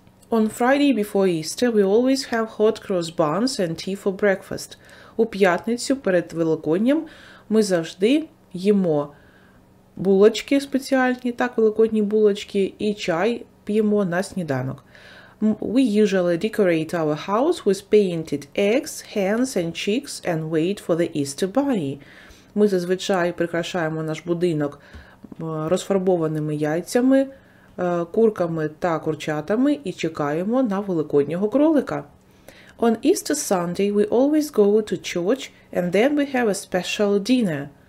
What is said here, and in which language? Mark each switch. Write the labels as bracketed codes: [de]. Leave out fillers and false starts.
[en] On Friday before Easter we always have hot cross buns and tea for breakfast. [uk] У п'ятницю перед Великоднем ми завжди їмо булочки спеціальні, так, великодні булочки, і чай п'ємо на сніданок. [en] We usually decorate our house with painted eggs, hens and chicks and wait for the Easter bunny. [uk] Ми зазвичай прикрашаємо наш будинок розфарбованими яйцями, курками та курчатами і чекаємо на великоднього кролика. [en] On Easter Sunday we always go to church and then we have a special dinner.